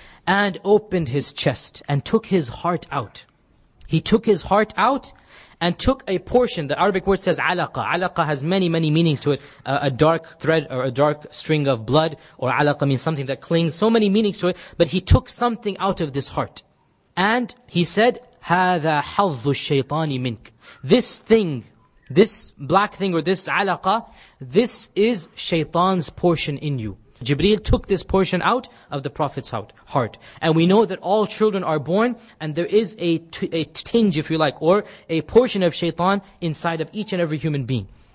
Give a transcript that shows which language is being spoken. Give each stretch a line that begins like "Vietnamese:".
English: And opened his chest and took his heart out. He took his heart out and took a portion. The Arabic word says alaqa. Alaqa has many, many meanings to it. A dark thread or a dark string of blood. Or alaqa means something that clings. So many meanings to it. But he took something out of this heart. And he said,
Arabic: هَذَا حَظُّ الشَّيْطَانِ مِنْكَ.
English: This thing, this black thing or this alaqa, this is shaitan's portion in you. Jibreel took this portion out of the Prophet's heart. And we know that all children are born and there is a tinge, if you like, or a portion of shaitan inside of each and every human being.